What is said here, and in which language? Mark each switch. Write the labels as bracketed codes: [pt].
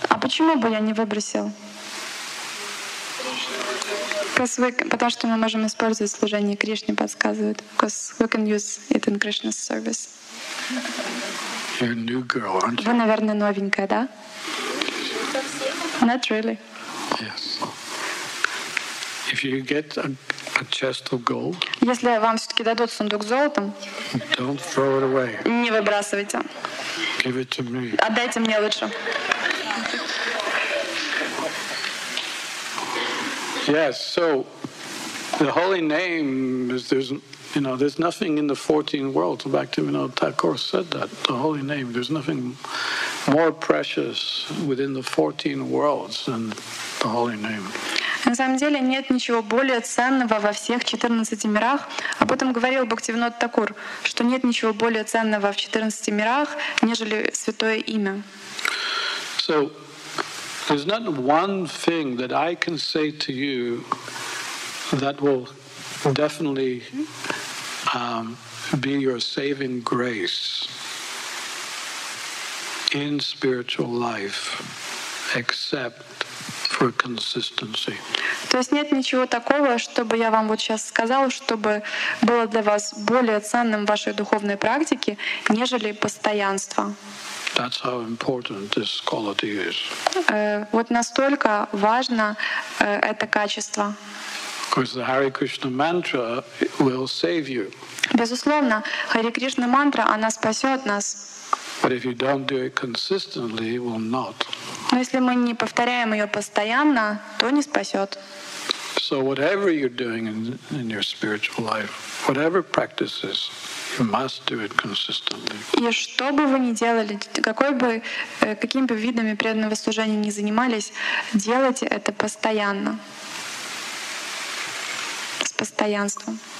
[ru] А почему бы я не выбросил? Потому что мы можем использовать служение Кришне, подсказывают. [en] Because we can use it in Krishna's service. You're a new girl, aren't you? [ru] Вы, наверное, новенькая, да? [en] Not really. Yes. If you get a chest of gold, [ru] если вам все-таки дадут сундук с золотом, [en] don't throw it away. [ru] Не выбрасывайте. [en] Give it to me. [ru] Отдайте мне лучше. [en] Yes, so the holy name is there's nothing in the 14 worlds. Bhaktivinoda Thakur said that. The holy name, there's nothing more precious within the 14 worlds than the holy name. [ru] На самом деле нет ничего более ценного во всех 14 мирах. Об этом говорил Бхактивинода Такур, что нет ничего более ценного в 14 мирах, нежели святое имя. [en] So, there's not one thing that I can say to you that will definitely be your saving grace in spiritual life, except for consistency. [ru] То есть нет ничего такого, чтобы я вам вот сейчас сказал, чтобы было для вас более ценным в вашей духовной практике, нежели постоянство. [en] That's how important this quality is. [ru] Вот настолько важно это качество. [en] Because the Hare Krishna mantra will save you. [ru] Безусловно, Харе Кришна мантра, она спасет нас. [en] But if you don't do it consistently, it will not. [ru] Но если мы не повторяем ее постоянно, то не спасет. [en] So whatever you're doing in your spiritual life, whatever practices, you must do it consistently. [ru] И что бы вы ни делали, какой бы каким бы видами преданного служения ни занимались, делайте это постоянно. С постоянством.